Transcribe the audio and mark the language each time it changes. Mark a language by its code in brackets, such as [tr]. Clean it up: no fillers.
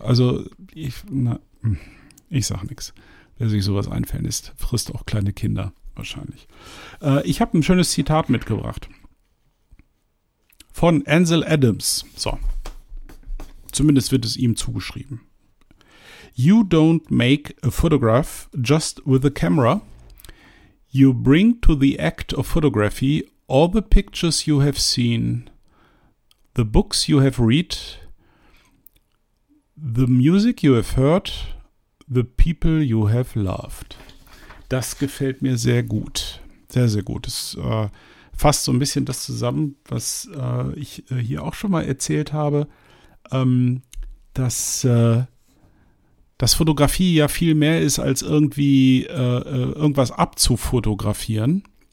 [de] Also, ich sag nichts. Wer sich sowas einfällt, ist, frisst auch kleine Kinder wahrscheinlich. Ich habe ein schönes Zitat mitgebracht. Von Ansel Adams. So. Zumindest wird es ihm zugeschrieben. [en] You don't make a photograph just with a camera. You bring to the act of photography all the pictures you have seen, the books you have read, the music you have heard, the people you have loved. [de] Das gefällt mir sehr gut. Sehr, sehr gut. Es fasst so ein bisschen das zusammen, was ich hier auch schon mal erzählt habe, dass Fotografie ja viel mehr ist, als irgendwie irgendwas abzufotografieren.